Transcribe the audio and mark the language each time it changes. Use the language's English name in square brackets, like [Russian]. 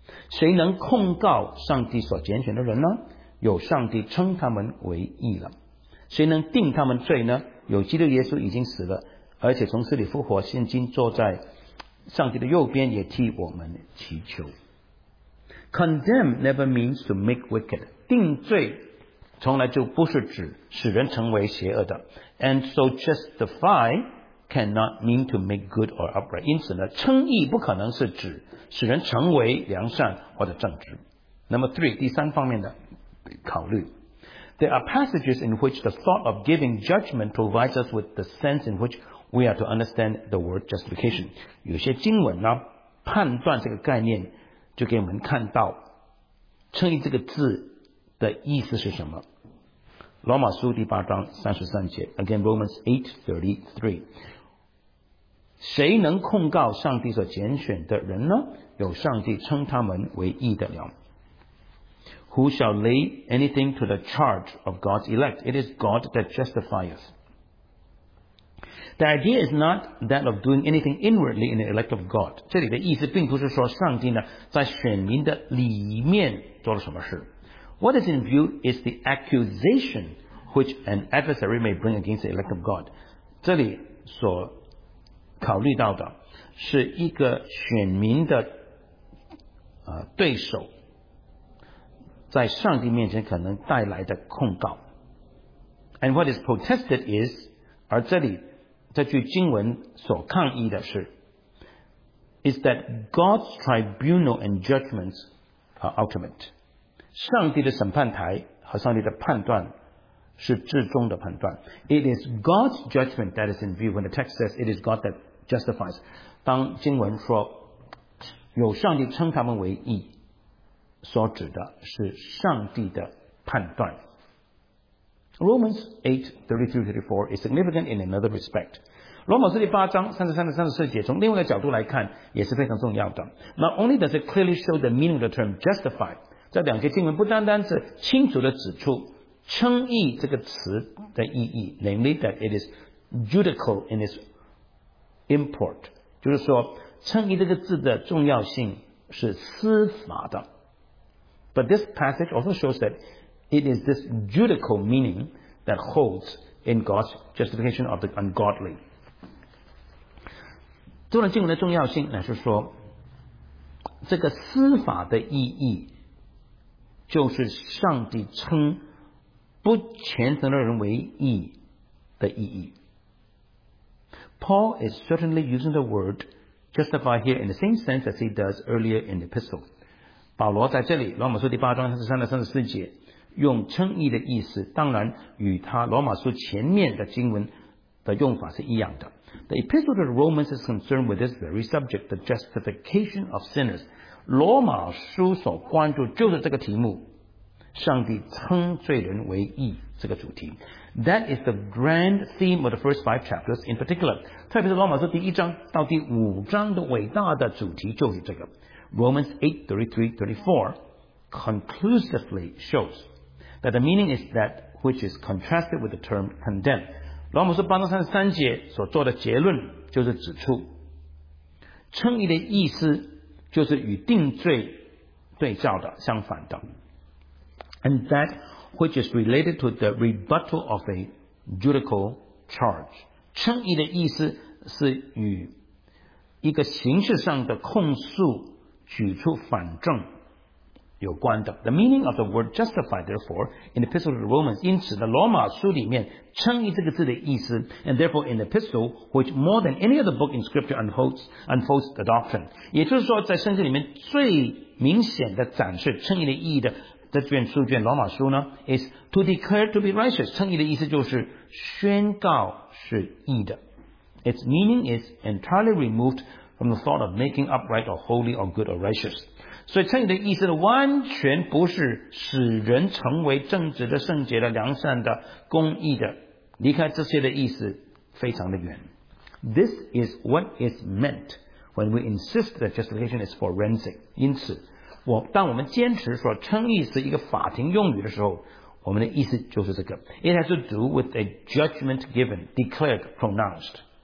[Chinese] 谁能控告上帝所拣选的人呢？有上帝称他们为义了。谁能定他们罪呢？有基督耶稣已经死了，而且从死里复活，现今坐在上帝的右边，也替我们祈求。 [English] Condemn never means to make wicked. [Chinese] 定罪从来就不是指使人成为邪恶的。 [English] And so justify cannot mean to make good or upright. [Chinese] 因此呢，称义不可能是指使人成为良善或者正直。 [English] Number three, [Chinese] 第三方面的考虑。 [English] There are passages in which the thought of giving judgment provides us with the sense in which we are to understand the word justification. [Chinese] 有些经文呢，判断这个概念就给我们看到称义这个字的意思是什么。罗马书第八章三十三节 [English] Again Romans 8:33, [Chinese] 谁能控告上帝所拣选的人呢？有上帝称他们为义的了。 [English] Who shall lay anything to the charge of God's elect? It is God that justifies. The idea is not that of doing anything inwardly in the elect of God. [Chinese] 这里的意思并不是说上帝呢在选民的里面做了什么事。 [English] What is in view is the accusation which an adversary may bring against the elect of God. [Chinese] 这里所考虑到的是一个选民的对手在上帝面前可能带来的控告。 [English] And what is protested is, [Chinese] 而这里这句经文所抗议的是 [English] is that God's tribunal and judgments are ultimate. [Chinese] 上帝的审判台和上帝的判断是至终的判断。 [English] It is God's judgment that is in view when the text says it is God that justifies. [Chinese] 当经文说有上帝称他们为义所指的是上帝的判断。 [English] Romans 8:33-34 is significant in another respect. [Chinese] 罗马书第八章33-34节从另外一个角度来看也是非常重要的。 [English] Not only does it clearly show the meaning of the term justify, [Chinese] 这两节经文不单单是清楚地指出称义这个词的意义 [English] namely that it is judicial in its import, [Chinese] 就是说称义这个字的重要性是司法的。 [English] But this passage also shows that it is this judicial meaning that holds in God's justification of the ungodly. [Chinese] 这段经文的重要性乃是说这个司法的意义就是上帝称不虔诚的人为义的意义。 [English] Paul is certainly using the word justify here in the same sense as he does earlier in the epistle. [Chinese] 保罗在这里罗马书第八章33-34节用称义的意思当然与他罗马书前面的经文的用法是一样的。 [English] The epistle to the Romans is concerned with this very subject, the justification of sinners. [Chinese] 罗马书所关注就是这个题目上帝称罪人为义这个主题。 [English] That is the grand theme of the first five chapters in particular. [Chinese] 特别是罗马书第一章到第五章的伟大的主题就是这个。 [English] Romans 8:33-34 conclusively shows that the meaning is that which is contrasted with the term condemn. [Chinese] 罗马书八章33节所做的结论就是指出称义的意思就是与定罪对照的相反的。 [English] And that which is related to the rebuttal of a judicial charge. [Chinese] 称义的意思是与一个形式上的控诉举出反证有关的。 [English] The meaning of the word justify, therefore, in the epistle to the Romans, [Chinese] 因此的罗马书里面称义这个字的意思 [English] and therefore in the epistle, which more than any other book in scripture unfolds the doctrine. [Chinese] 也就是说在圣经里面最明显的展示称义的意义的这卷书卷罗马书呢 [English] is to declare to be righteous. [Chinese] 称义的意思就是宣告是义的。 [English] Its meaning is entirely removed from the thought of making upright or holy or good or righteous. [Chinese] 所以称义的意思呢完全不是使人成为正直的圣洁的良善的公义的。离开这些的意思非常的远。 [English] This is what is meant when we insist that justification is forensic. [Chinese] 因此当我们坚持说称义是一个法庭用语的时候我们的意思就是这个 [English] It has to do with a judgment given, declared, pronounced